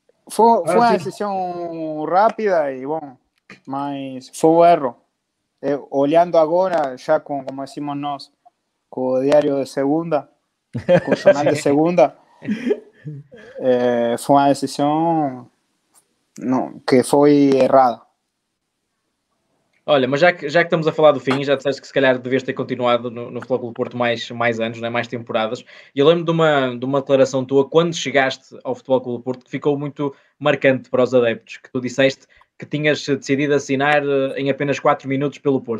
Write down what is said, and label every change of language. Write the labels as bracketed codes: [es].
[pt] Foi uma decisão rápida e bom, mas foi um erro. Olhando agora, já com, [es] como decimos [pt] nós, com o diário de segunda, com o jornal de segunda, [es] Fue una decisión no, que fue errada. [pt] Olha, mas já que estamos a falar do fim, já disseste que se calhar devias ter continuado no Futebol Clube do Porto mais anos, né? Mais temporadas. E eu lembro de uma declaração tua quando chegaste ao Futebol Clube do Porto que ficou muito marcante para os adeptos, que tu disseste que tinhas decidido assinar em apenas 4 minutos pelo Porto.